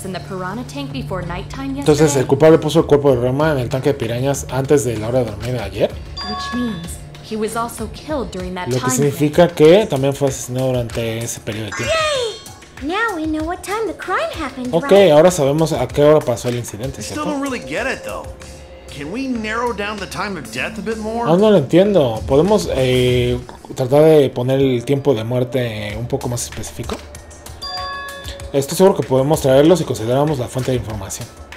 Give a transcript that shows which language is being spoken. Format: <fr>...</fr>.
<es>Entonces, el culpable puso el cuerpo de Ryoma en el tanque de pirañas antes de la hora de dormir de ayer.</es> <en>Which means he was also killed during that.</en> <es>Lo que significa que también fue asesinado durante ese periodo de tiempo.</es> <en>Now we know what time the crime happened.</en> <es>Okay, ahora sabemos a qué hora pasó el incidente, ¿cierto?</es> <en>Still don't really get it though. Can we narrow down the time of death a bit more?</en> <es>Ah, no lo entiendo. ¿Podemos tratar de poner el tiempo de muerte un poco más específico? Estoy seguro que podemos traerlo si consideramos la fuente de información.</es>